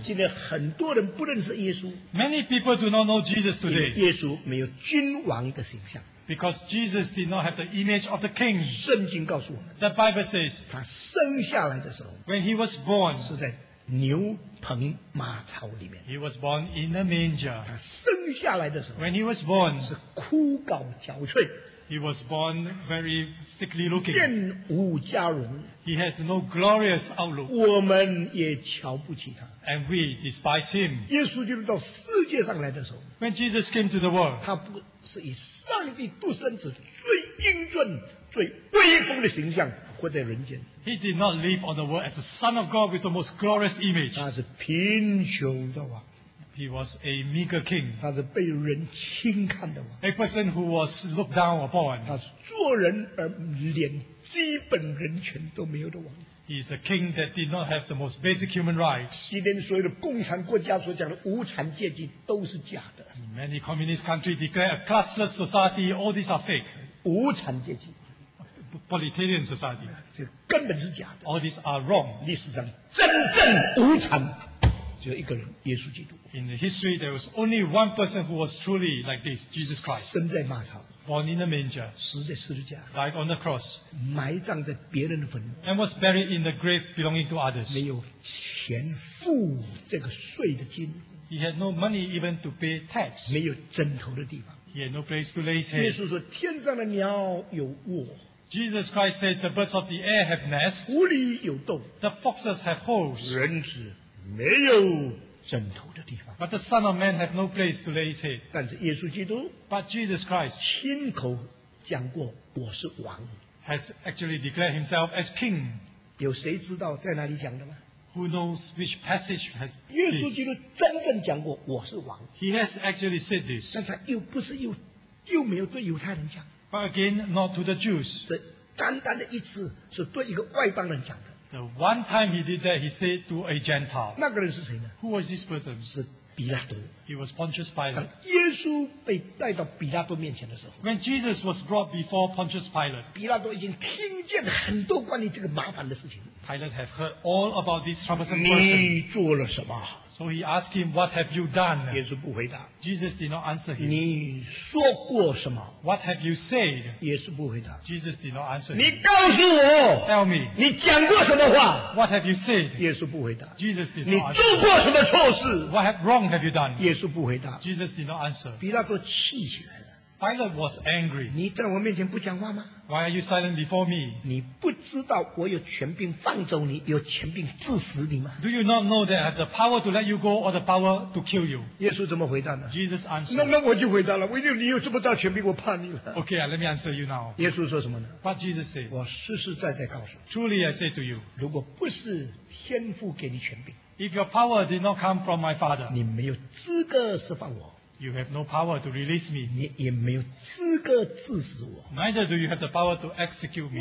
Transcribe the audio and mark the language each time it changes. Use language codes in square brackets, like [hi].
[zh] 今天很多人不认识耶稣。 [en] Many people do not know Jesus today. [zh] 耶稣没有君王的形象。 [en] Because Jesus did not have the image of the king. [zh] 圣经告诉我们 [en] The Bible says, [zh] 他生下来的时候 [en] when he was born, [zh] 是在牛棚马槽里面 [en] he was born in a manger. [zh] 他生下来的时候 [en] when he was born, [zh] 是枯槁憔悴 [en] he was born very sickly looking. [zh] 面无佳容 [en] he had no glorious outlook. [zh] 我们也瞧不起他 [en] and we despise him. [zh] 耶稣基督到世界上来的时候 [en] when Jesus came to the world, [zh] 他不是以上帝独生子最英俊、最威风的形象活在人间。 [en] He did not live on the world as the Son of God with the most glorious image. [zh] 他是贫穷的王。 [en] He was a meager king. [zh] 他是被人轻看的王。 [en] A person who was looked down upon. [zh] 他是做人而连基本人权都没有的王。 [en] He is a king that did not have the most basic human rights. [zh] 今天所有的共产国家所讲的无产阶级都是假的。 [en] Many communist countries declare a classless society. All these are fake. [zh] 无产阶级。 [en] Proletarian society. [zh] 这根本是假的。 [en] All these are wrong. [zh] 历史上真正无产只有一个人，耶稣基督。 [en] In the history, there was only one person who was truly like this, Jesus Christ. [zh] 生在马槽。 [en] Born in a manger, [zh] 死在十字架 [en] died on the cross, [zh] 埋葬在别人的坟 [en] and was buried in the grave belonging to others. [zh] 没有钱付这个税的金 [en] he had no money even to pay tax. [zh] 没有枕头的地方 [en] he had no place to lay his head. [zh] 耶稣说天上的鸟有窝 [en] Jesus Christ said the birds of the air have nests. [zh] 狐狸有洞 [en] the foxes have holes. [zh] 人子没有枕头的地方。 [en] But the Son of Man have no place to lay his head. [zh] 但是耶稣基督 [en] ，But Jesus Christ [zh] 亲口讲过我是王 [en] ，has actually declared himself as king. [zh] 有谁知道在哪里讲的吗 [en] ？Who knows which passage has [zh] 耶稣基督真正讲过我是王 [en] ？He has actually said this. [zh] 但他又不是又没有对犹太人讲。 [en] But again, not to the Jews. [zh] 这单单的一次是对一个外邦人讲的。 [en] The one time he did that, he said to a Gentile. [zh] 那个人是谁呢 [en] ？Who was this person? [zh] 是比拉多。 [en] He was Pontius Pilate. [zh] 当耶稣被带到比拉多面前的时候 [en] ，When Jesus was brought before Pontius Pilate, [zh] 比拉多已经听见很多关于这个麻烦的事情。 [en] Pilate had heard all about this troublesome person. [zh] 你做了什么 [en] ？So he asked him, "What have you done?" [zh] 耶稣不回答。 [en] Jesus did not answer him. [zh] 你说过什么 [en] ？What have you said? [zh] 耶稣不回答。 [en] Jesus did not answer him. [zh] 你告诉我。 [en] Tell me. [zh] 你讲过什么话 [en] ？What have you said? [zh] 耶稣不回答。 [en] Jesus did not answer him. [zh] 你做过什么错事 [en] ？What have wrong have you done? [zh] 耶稣不回答。 [en] Jesus did not answer. [zh] 比拉多气起来了。 [en] Pilate was angry. [zh] 你在我面前不讲话吗 [en] ？Why are you silent before me? [zh] 你不知道我有权柄放走你，有权柄致死你吗 [en] ？Do you not know that I have the power to let you go or the power to kill you? [zh] 耶稣怎么回答呢 [en] ？Jesus answered. [zh] 那我就回答了，唯有你有这么大权柄，我怕你了。 [en] Okay, let me answer you now. [zh] 耶稣说什么呢 [en] ？What Jesus said? [zh] 我实实在在告诉你。 [en] Truly I say to you, [zh] 如果不是天父给你权柄 [en] ，If your power did not come from my Father, [zh] 你没有资格释放我。 [en] You have no power to release me. [zh] 你也没有资格致死我。 [en] Neither do you have the power to execute me.